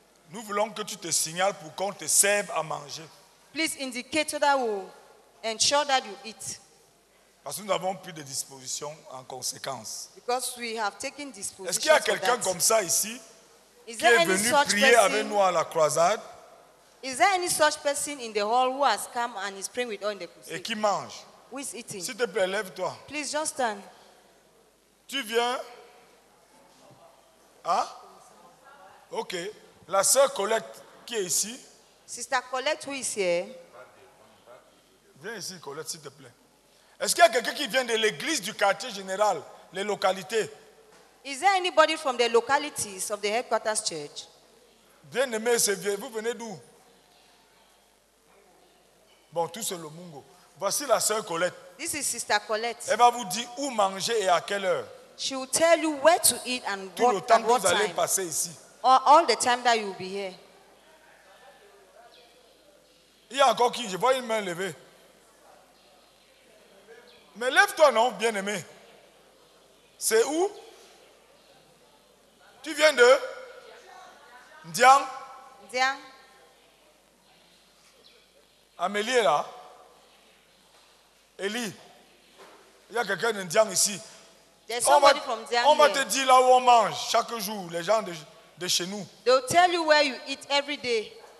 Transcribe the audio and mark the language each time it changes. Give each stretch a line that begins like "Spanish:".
French: Nous voulons que tu te signales pour qu'on te serve à manger.
English: Please indicate so that we ensure that you eat.
French: Parce que nous avons pris des dispositions en conséquence.
English: Because we have taken dispositions.
French: Est-ce qu'il y a quelqu'un comme ça ici qui est venu prier avec nous à la croisade?
English: Is there any such person in the hall who has come and is praying with us in the crusade?
French: Et qui mange?
English: Who is eating?
French: S'il te plaît, lève-toi.
English: Please just stand.
French: Tu viens? Hein? Ok. La sœur Colette qui est ici?
English: Sister Colette, who is here?
French: Viens ici, Colette, s'il te plaît. Est-ce qu'il y a quelqu'un qui vient de l'église du quartier général, les localités?
English: Is there anybody from the localities of the headquarters church?
French: Bien-aimé, c'est bien. Vous venez d'où? Bon, tout c'est le Mungo. Voici la sœur Colette.
English: This is Sister Colette.
French: Elle va vous dire où manger et à quelle heure.
English: She will tell you where to eat and
French: tout
English: what time.
French: Tout le temps vous allez passer ici.
English: All the time that you will be here.
French: Il y a encore qui? Je vois une main levée. Mais lève-toi, non, bien-aimé. C'est où? Tu viens de? Ndiang? Ndiang. Amélie est là. Elie. Il y a quelqu'un de Ndiang ici.
English: There's somebody from Ndiang.
French: On va te dire là où on mange chaque jour, les gens de chez nous.
English: They'll tell you where you eat every day.